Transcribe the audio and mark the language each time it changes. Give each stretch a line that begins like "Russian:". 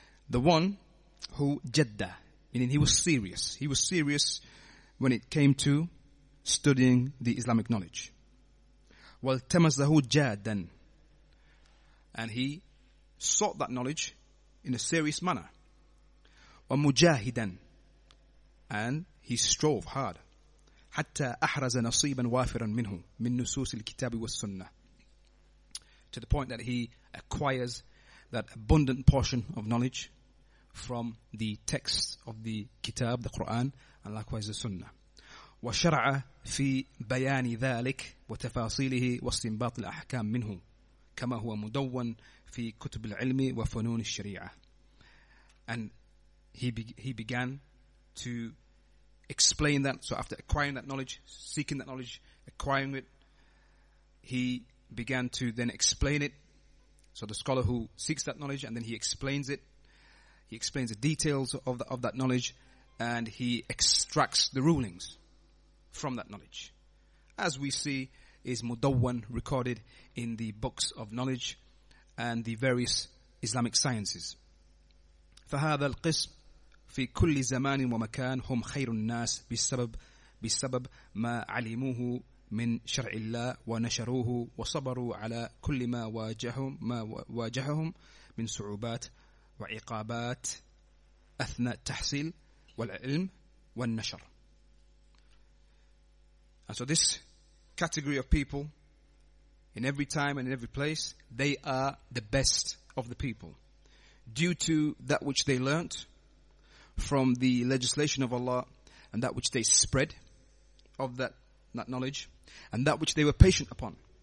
English: The one who jadda, meaning he was serious. He was serious when it came to studying the Islamic knowledge.
Arabic: وَالْتَمَزَهُ جَادًا.
English: And he sought that knowledge in a serious manner.
Arabic: وَمُجَاهِدًا.
English: And he strove hard.
Arabic: حتى أحرز نصيبا وافرا منه من نصوص الكتاب والسنة.
English: To the point that he acquires that abundant portion of knowledge from the texts of the Kitab, the Quran, and likewise the Sunnah.
Arabic: وشرع في بيان ذلك وتفاصيله واستنباط الأحكام منه كما هو مدون في كتب العلم وفنون الشريعة.
English: And he began to explain that. So after acquiring that knowledge, seeking that knowledge, acquiring it, he began to then explain it. So the scholar who seeks that knowledge and then he explains it, he explains the details of that knowledge, and he extracts the rulings from that knowledge, as we see is mudawwan, recorded in the books of knowledge and the various Islamic sciences.
Arabic: فهذا القسم في كل زمان ومكان هم خير الناس بسبب ما علموه من شرع الله ونشروه وصبروا على كل ما واجههم من صعوبات وعقابات أثناء التحصيل والعلم والنشر.
English: And so this category of people, in every time and in every place, they are the best of the people, due to that which they learnt from the legislation of Allah, and that which they spread of that knowledge, and that which they were patient upon.